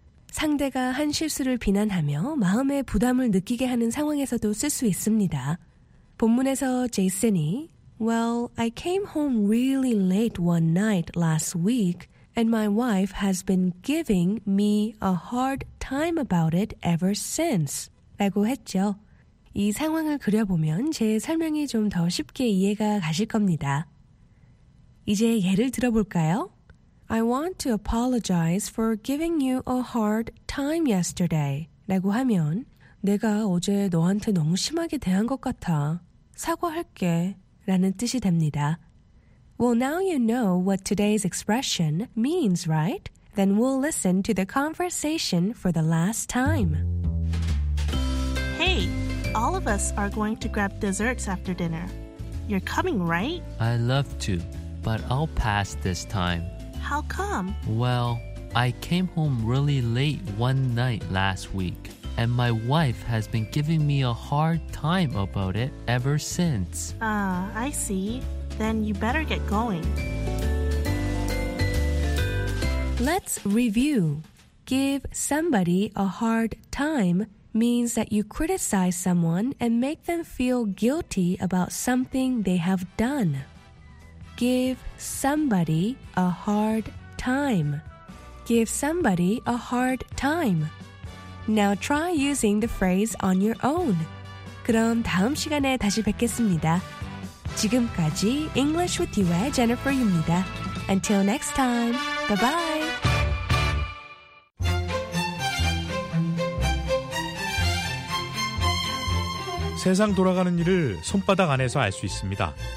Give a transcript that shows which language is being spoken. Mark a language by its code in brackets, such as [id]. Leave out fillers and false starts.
[ko] 상대가 한 실수를 비난하며 마음의 부담을 느끼게 하는 상황에서도 쓸 수 있습니다. 본문에서 제이슨이 [en] Well, I came home really late one night last week and my wife has been giving me a hard time about it ever since. [ko] 라고 했죠. 이 상황을 그려보면 제 설명이 좀 더 쉽게 이해가 가실 겁니다. 이제 예를 들어볼까요? [en] I want to apologize for giving you a hard time yesterday. [ko] 라고 하면 내가 어제 너한테 너무 심하게 대한 것 같아. 사과할게. 라는 뜻이 됩니다. [en] Well, now you know what today's expression means, right? Then we'll listen to the conversation for the last time. Hey, all of us are going to grab desserts after dinner. You're coming, right? I love to, but I'll pass this time. How come? Well, I came home really late one night last week, and my wife has been giving me a hard time about it ever since. I see. Then you better get going. Let's review. Give somebody a hard time means that you criticize someone and make them feel guilty about something they have done. Give somebody a hard time. Give somebody a hard time. Now try using the phrase on your own. [ko] 그럼 다음 시간에 다시 뵙겠습니다. 지금까지 English with You의 Jennifer입니다. [en] Until next time, bye-bye! [ko] (목소리) 세상 돌아가는 일을 손바닥 안에서 알 수 있습니다.